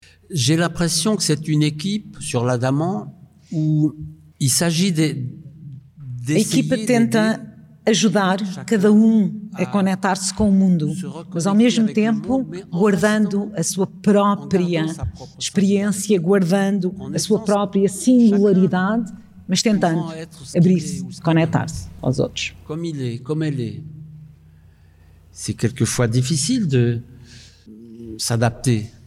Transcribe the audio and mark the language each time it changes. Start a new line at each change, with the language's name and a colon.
French: J'ai l'impression que c'est une équipe sur l'Adamant. Il s'agit
Portuguese: a equipa tenta ajudar cada um a conectar-se com o mundo, mas ao mesmo tempo guardando a sua própria experiência, guardando a sua própria singularidade, mas tentando abrir-se, conectar-se aos outros. Como ele é, como ele é.
French: C'est quelquefois difficile de s'adapter.